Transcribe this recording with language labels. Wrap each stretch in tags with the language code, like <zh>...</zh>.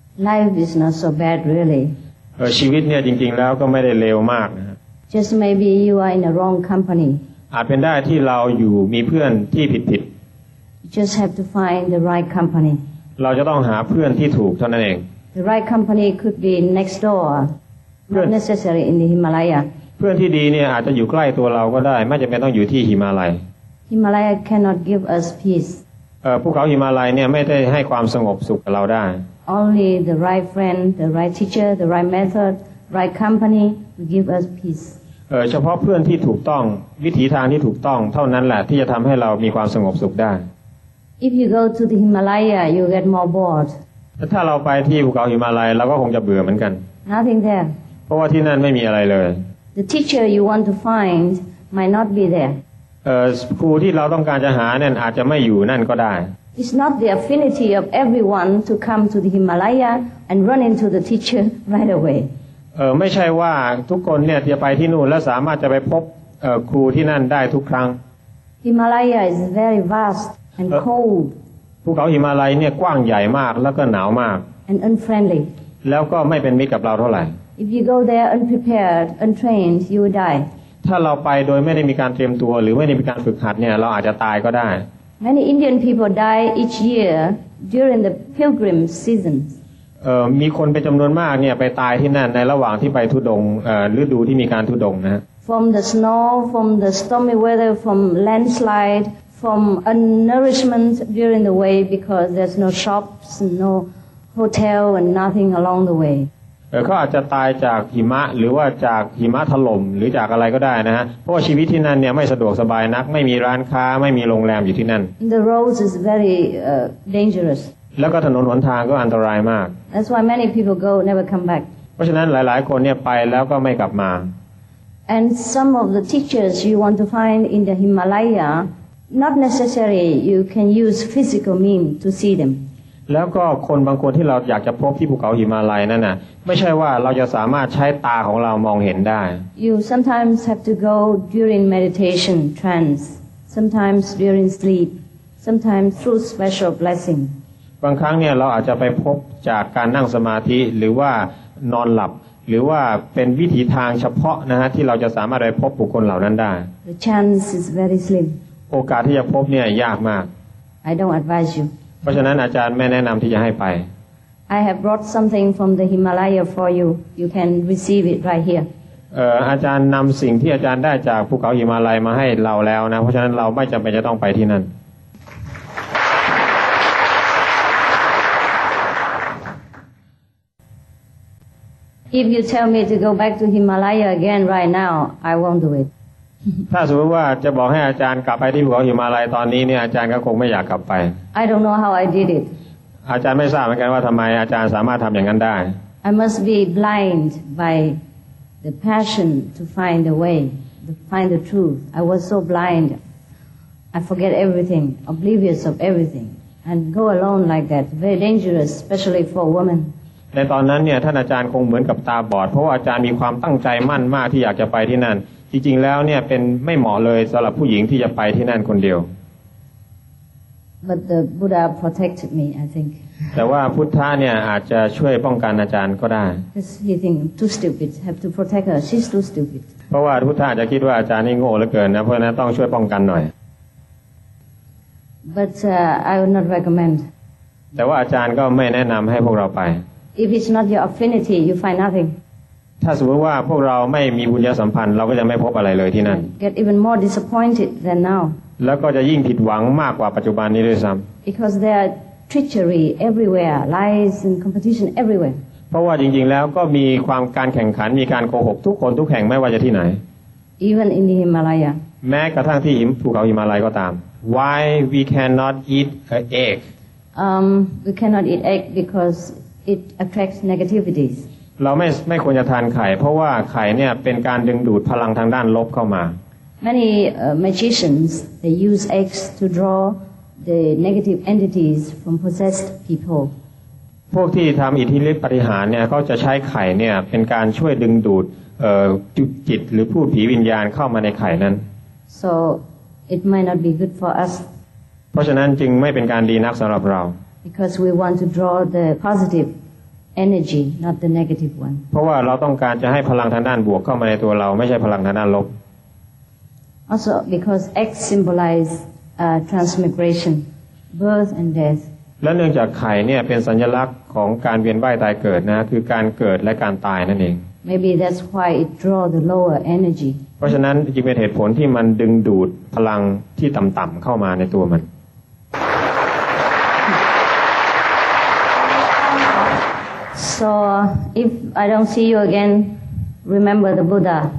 <en>Life is not so bad, really.</en> <th>ชีวิตเนี่ยจริงๆแล้วก็ไม่ได้เลวมากนะ</th> <en>Just maybe you are in the wrong company.</en> <th>อาจเป็นได้ที่เราอยู่มีเพื่อนที่ผิด</th> <en>Just have to find the right company.</en> <th>เราจะต้องหาเพื่อนที่ถูกเท่านั้นเอง</th> <en>The right company could be next door, not necessarily in the Himalaya.</en> <th>เพื่อนที่ดีเนี่ยอาจจะอยู่ใกล้ตัวเราก็ได้ไม่จำเป็นต้องอยู่ที่หิมาลัย</th> <en>Himalaya cannot give us peace.</en> <th>ภูเขาหิมาลัยเนี่ยไม่ได้ให้ความสงบสุขกับเราได้</th> <en>Only the right friend, the right teacher, the right method, right company will give us peace.</en> <th>เฉพาะเพื่อนที่ถูกต้องวิธีทางที่ถูกต้องเท่านั้นแหละที่จะทำให้เรามีความสงบสุขได้</th> <en>If you go to the Himalaya, you get more bored.</en> <th>ถ้าเราไปที่ภูเขาหิมาลัยเราก็คงจะเบื่อเหมือนกัน</th> <en>Nothing there.</en> <th>เพราะว่าที่นั่นไม่มีอะไรเลย</th> <en>The teacher you want to find might not be there.</en> <th>ครูที่เราต้องการจะหาเนี่ยอาจจะไม่อยู่นั่นก็ได้</th> <en>It's not the affinity of everyone to come to the Himalaya and run into the teacher right away.</en> <th>ไม่ใช่ว่าทุกคนเนี่ยจะไปที่นู่นและสามารถจะไปพบครูที่นั่นได้ทุกครั้ง</th> <en>Himalaya is very vast and cold.</en> <th>ภูเขาหิมาลัยเนี่ยกว้างใหญ่มากแล้วก็หนาวมาก</th> <en>And unfriendly.</en> <th>แล้วก็ไม่เป็นมิตรกับเราเท่าไหร่</th> <en>If you go there unprepared, untrained, you will die.</en> <th>ถ้าเราไปโดยไม่ได้มีการเตรียมตัวหรือไม่ได้มีการฝึกหัดเนี่ยเราอาจจะตายก็ได้</th> <en>Many Indian people die each year during the pilgrim season.</en> <th>มีคนเป็นจำนวนมากเนี่ยไปตายที่นั่นในระหว่างที่ไปธุดงฤดูที่มีการธุดงนะ</th> <en>From the snow, from the stormy weather, from landslide, from undernourishment during the way because there's no shops, no hotel, and nothing along the way.</en> <th>เขาอาจจะตายจากหิมะหรือว่าจากหิมะถล่มหรือจากอะไรก็ได้นะฮะเพราะชีวิตที่นั่นเนี่ยไม่สะดวกสบายนักไม่มีร้านค้าไม่มีโรงแรมอยู่ที่นั่น</th> <en>The roads is very dangerous</en> <th>แล้วก็ถนนหนทางก็อันตรายมาก</th> <en>That's why many people go never come back</en> <th>เพราะฉะนั้นหลายๆคนเนี่ยไปแล้วก็ไม่กลับมา</th> <en>And some of the teachers you want to find in the Himalaya not necessary you can use physical means to see them</en> <th>แล้วก็คนบางคนที่เราอยากจะพบที่ภูเขาหิมาลัยนั่นน่ะไม่ใช่ว่าเราจะสามารถใช้ตาของเรามองเห็นได้</th> <en>You sometimes have to go during meditation trance sometimes during sleep sometimes through special blessing</en> <th>บางครั้งเนี่ยเราอาจจะไปพบจากการนั่งสมาธิหรือว่านอนหลับหรือว่าเป็นวิธีทางเฉพาะนะฮะที่เราจะสามารถไปพบบุคคลเหล่านั้นได้</th> <en>The chance is very slim</en> <th>โอกาสที่จะพบเนี่ยยากมาก</th> <en>I don't advise you</en> <th>พราะฉะนั้นอาจารย์ไม่แนะนำที่จะให้ไป</th> <en>I have brought something from the Himalaya for you. You can receive it right here.</en> <th>อาจารย์นำสิ่งที่อาจารย์ได้จากภูเขาหิมาลัยมาให้เราแล้วนะเพราะฉะนั้นเราไม่จำเป็นจะต้องไปที่นั่น</th> <en>If you tell me to go back to Himalaya again right now, I won't do it.</en> <th>ถ้าสมมติว่าจะบอกให้อาจารย์กลับไปที่ภูเขาหิมาลัยตอนนี้เนี่ยอาจารย์ก็คงไม่อยากกลับไป</th> <en>I don't know how I did it.</en> <th>อาจารย์ไม่ทราบเหมือนกันว่าทำไมอาจารย์สามารถทำอย่างนั้นได้</th> <en>I must be blind by the passion to find the way, to find the truth. I was so blind. I forget everything, oblivious of everything, and go alone like that. Very dangerous, especially for a woman.</en> <th>ในตอนนั้นเนี่ยท่านอาจารย์คงเหมือนกับตาบอดเพราะว่าอาจารย์มีความตั้งใจมั่นมากที่อยากจะไปที่นั่นจริงๆแล้วเนี่ยเป็นไม่เหมาะเลยสำหรับผู้หญิงที่จะไปที่นั่นคนเดียว</th> <en>But the Buddha protected me, I think.</en> <th>แต่ว่าพุทธะเนี่ยอาจจะช่วยป้องกันอาจารย์ก็ได้</th> <en>Because he think too stupid, have to protect her. She's too stupid.</en> <th>เพราะว่าพุทธะจะคิดว่าอาจารย์นี่โง่เหลือเกินนะเพราะฉะนั้นต้องช่วยป้องกันหน่อย</th> <en>But I would not recommend.</en> <th>แต่ว่าอาจารย์ก็ไม่แนะนำให้พวกเราไป</th> <en>If it's not your affinity, you find nothing.</en> <th>ถ้าสมมติว่าพวกเราไม่มีบุญญาสัมพันธ์เราก็จะไม่พบอะไรเลยที่นั่น</th> <en>Get even more disappointed than now.</en> <th>แล้วก็จะยิ่งผิดหวังมากกว่าปัจจุบันนี้ด้วยซ้ำ</th> <en>Because there are treachery everywhere, lies and competition everywhere.</en> <th>เพราะว่าจริงๆแล้วก็มีความการแข่งขันมีการโกหกทุกคนทุกแห่งไม่ว่าจะที่ไหน</th> <en>Even in the Himalaya.</en> <th>แม้กระทั่งที่หิมภูเขาหิมาลัยก็ตาม</th> <en>Why we cannot eat an egg? We cannot eat egg becauseIt attracts negativities.</en> <th>เราไม่ควรจะทานไข่เพราะว่าไข่เนี่ยเป็นการดึงดูดพลังทางด้านลบเข้ามา</th> <en>Many magicians they use eggs to draw the negative entities from possessed people.</en> <th>พวกที่ทำอิทธิฤทธิ์ปฏิหารเนี่ยเขาจะใช้ไข่เนี่ยเป็นการช่วยดึงดูดจิตหรือผู้ผีวิญญาณเข้ามาในไข่นั้น</th> <en>So it might not be good for us.</en> <th>เพราะฉะนั้นจึงไม่เป็นการดีนักสำหรับเรา</th> <en>Because we want to draw the positive energy, not the negative one.</en> <th>เพราะว่าเราต้องการจะให้พลังทางด้านบวกเข้ามาในตัวเราไม่ใช่พลังทางด้านลบ</th> <en>Also, because eggs symbolize transmigration, birth and death.</en> <th>และเนื่องจากไข่เนี่ยเป็นสัญลักษณ์ของการเวียนว่ายตายเกิดนะคือการเกิดและการตายนั่นเอง</th> <en>Maybe that's why it draws the lower energy.</en> <th>เพราะฉะนั้นจึงเป็นเหตุผลที่มันดึงดูดพลังที่ต่ำๆเข้ามาในตัวมัน</th> <en>So if I don't see you again, remember the Buddha.</en>